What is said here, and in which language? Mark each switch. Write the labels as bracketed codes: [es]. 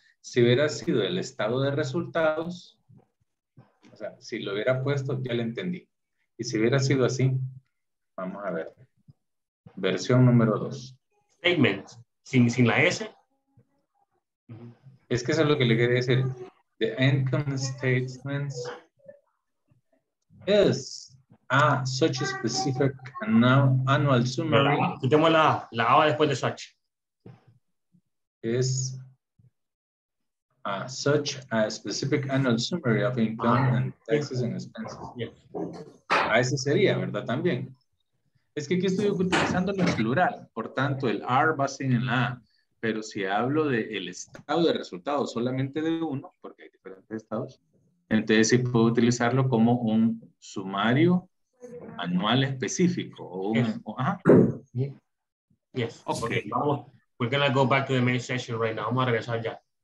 [es] Si hubiera sido el estado de resultados, o sea, si lo hubiera puesto, ya lo entendí. Y si hubiera sido así, vamos a ver. Versión número 2. Statements, sin la S. Es que eso es lo que le quería decir. [en] The income statements is such a specific annual summary. [es] Quitemos la A después de such. [en] Is such a specific annual summary of income and taxes and expenses. Yeah. [es] A ese sería, ¿verdad? También. Es que aquí estoy utilizando el plural. Por tanto, el R va sin el A. Pero si hablo del estado de resultados solamente de uno, porque hay diferentes estados, entonces sí puedo utilizarlo como un sumario anual específico. O un, [en] yes. [es] O, ajá. [en] Yes. Okay. Vamos. We're going to go back to the main session right now. [es] Vamos a regresar ya.